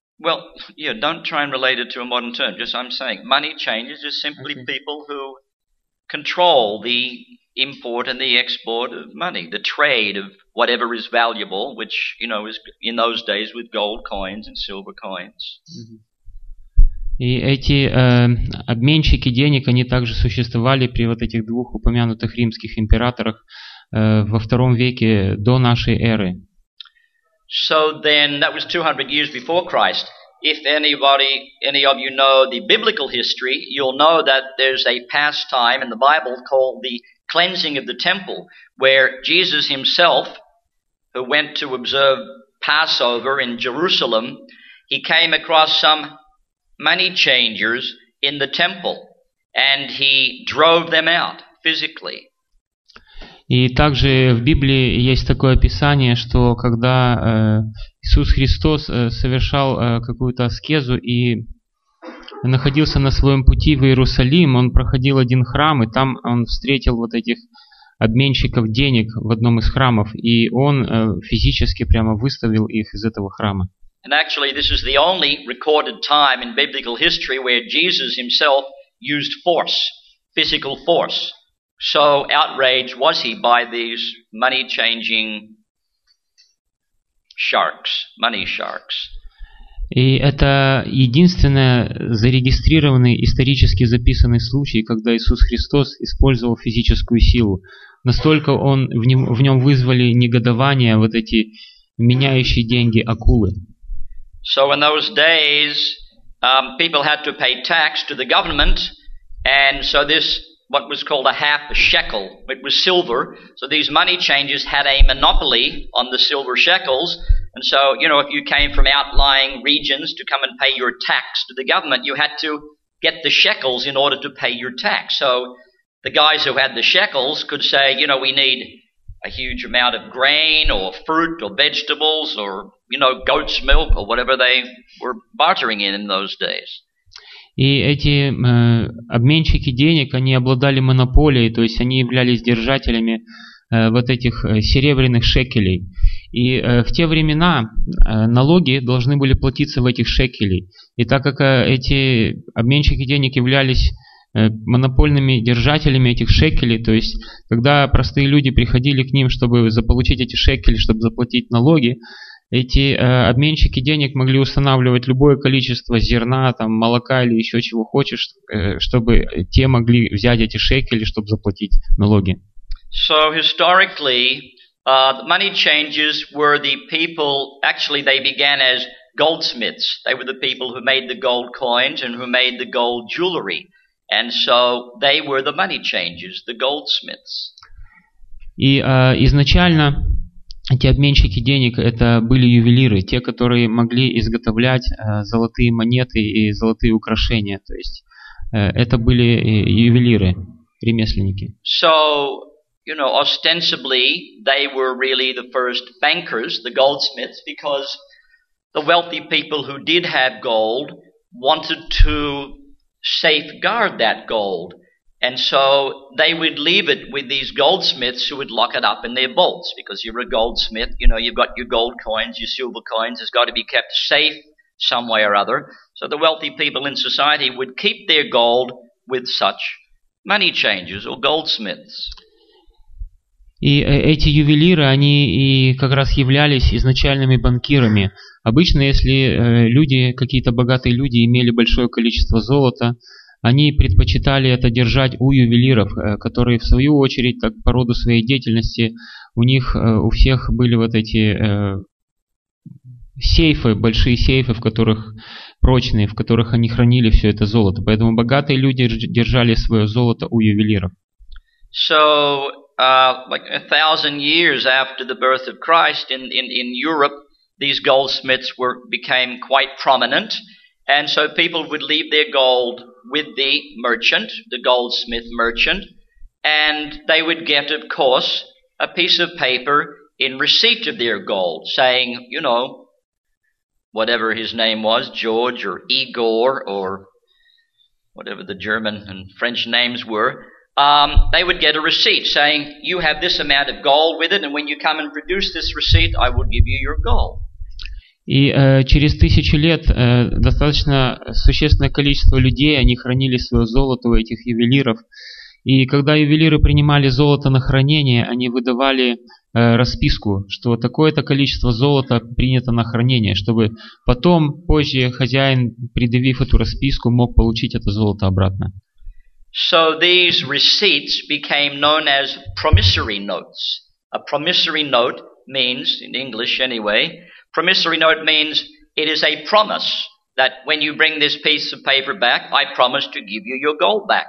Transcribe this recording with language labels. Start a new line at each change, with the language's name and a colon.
English: Well, yeah, don't try and relate it to a modern term. Just I'm saying money changers is simply people who control the import and the export of money, the trade of whatever is valuable, which, you know, is in those days with gold coins and silver coins.
Russian: И эти обменщики денег, они также существовали при вот этих двух упомянутых римских императорах во втором веке до нашей эры.
English: So then, that was 200 years before Christ. If anybody, any of you know the biblical history, you'll know that there's a pastime in the Bible called the cleansing of the temple, where Jesus himself, who went to observe Passover in Jerusalem, he came across some money changers in the temple, and he drove them out physically.
Russian: И также в Библии есть такое описание, что когда Иисус Христос совершал какую-то аскезу и находился на своем пути в Иерусалим, он проходил один храм, и там он встретил вот этих обменщиков денег в одном из храмов, и он физически прямо выставил их из этого храма.
English: And actually, this is the only recorded time in biblical history where Jesus himself used force, physical force. So outraged was he by these money-changing sharks, money sharks.
Russian: И это единственный зарегистрированный, исторически записанный случай, когда Иисус Христос использовал физическую силу. Настолько он в нем вызвали негодование вот эти меняющие деньги акулы.
English: So in those days, people had to pay tax to the government, and so this what was called a half a shekel. It was silver. So these money changers had a monopoly on the silver shekels. And so, you know, if you came from outlying regions to come and pay your tax to the government, you had to get the shekels in order to pay your tax. So the guys who had the shekels could say, you know, we need a huge amount of grain or fruit or vegetables or, you know, goat's milk or whatever they were bartering in those days.
Russian: И эти обменщики денег, они обладали монополией, то есть они являлись держателями вот этих серебряных шекелей. И в те времена налоги должны были платиться в этих шекелей. И так как эти обменщики денег являлись монопольными держателями этих шекелей, то есть когда простые люди приходили к ним, чтобы заполучить эти шекели, чтобы заплатить налоги, эти обменщики денег могли устанавливать любое количество зерна, там, молока или еще чего хочешь, чтобы те могли взять эти шекели, чтобы заплатить налоги.
English: So historically, the money changers were the people, actually they began as goldsmiths. They were the people who made the gold coins and who made the gold jewelry. And so they were the money changers, the goldsmiths.
Russian: И изначально эти обменщики денег – это были ювелиры, те, которые могли изготовлять золотые монеты и золотые украшения. То есть это были ювелиры, ремесленники.
English: So, you know, ostensibly they were really the first bankers, the goldsmiths, because the wealthy people who did have gold wanted to safeguard that gold. And so they would leave it with these goldsmiths who would lock it up in their vaults, because you're a goldsmith, you know, you've got your gold coins, your silver coins, it's got to be kept safe some way or other. So the wealthy people in society would keep their gold with such money changers or goldsmiths.
Russian: И эти ювелиры, они и как раз являлись изначальными банкирами. Обычно, если люди, какие-то богатые люди, имели большое количество золота, они предпочитали это держать у ювелиров, которые, в свою очередь, так по роду своей деятельности, у них, у всех были вот эти сейфы, большие сейфы, в которых прочные, в которых они хранили все это золото. Поэтому богатые люди держали свое золото у ювелиров.
English: So, like 1,000 years after the birth of Christ in Europe, these goldsmiths became quite prominent, and so people would leave their gold with the merchant, the goldsmith merchant, and they would get, of course, a piece of paper in receipt of their gold, saying, you know, whatever his name was, George or Igor or whatever the German and French names were, they would get a receipt saying, you have this amount of gold with it, and when you come and produce this receipt, I will give you your gold.
Russian: И через тысячу лет достаточно существенное количество людей, они хранили свое золото у этих ювелиров. И когда ювелиры принимали золото на хранение, они выдавали расписку, что такое-то количество золота принято на хранение, чтобы потом, позже, хозяин, предъявив эту расписку, мог получить это золото обратно.
English: So these receipts became known as promissory notes. A promissory note means, in English anyway, promissory note means it is a promise that when you bring this piece of paper back, I promise to give you your gold back.